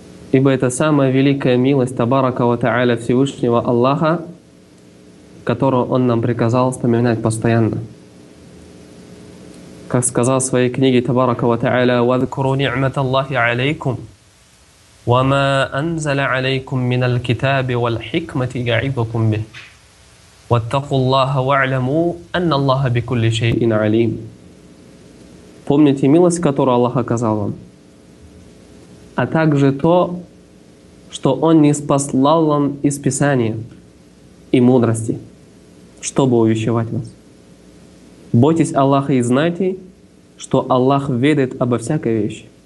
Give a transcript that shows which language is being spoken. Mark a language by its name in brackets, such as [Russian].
[Russian] Ибо это самая великая милость [Arabic] табарака ва тааля [Russian] Всевышнего Аллаха, которую Он нам приказал вспоминать постоянно. Как сказал в своей книге табарака ва тааля: [Arabic] «Вазкуру ни'мат Аллахи алейкум». وما أنزل عليكم من الكتاب والحكمة يعظكم به واتقوا الله واعلموا أن الله بكل شيء عليم. [Russian] Помните милость, которую Аллах оказал вам, а также то, что Он ниспослал вам из Писания и мудрости, чтобы увещевать вас. Бойтесь Аллаха и знайте, что Аллах ведает обо всякой вещи.